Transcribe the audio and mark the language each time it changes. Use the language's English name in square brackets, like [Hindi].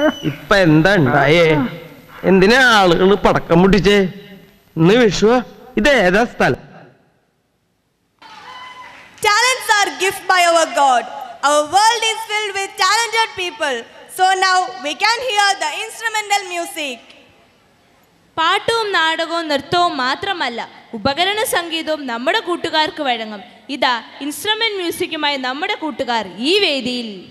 [Malayalam] ഇപ്പൊ എന്താ ഉണ്ടായേ എന്തിനാ ആളുകൾ പടക്കം മുട്ടിച്ചേ ഇന്ന് വിഷു ഇത് ഏതാ സ്ഥലം [English] Talents are gift by our God. Our world is filled with talented people. So now we can hear the instrumental music. [Malayalam] പാട്ടും നാടകവും നൃത്തവും മാത്രമല്ല ഉപകരണ സംഗീതവും നമ്മുടെ കൂട്ടുകാർക്ക് വഴങ്ങും. ഇതാ ഇൻസ്ട്രുമെന്റ് മ്യൂസിക്കുമായി നമ്മുടെ കൂട്ടുകാർ ഈ വേദിയിൽ.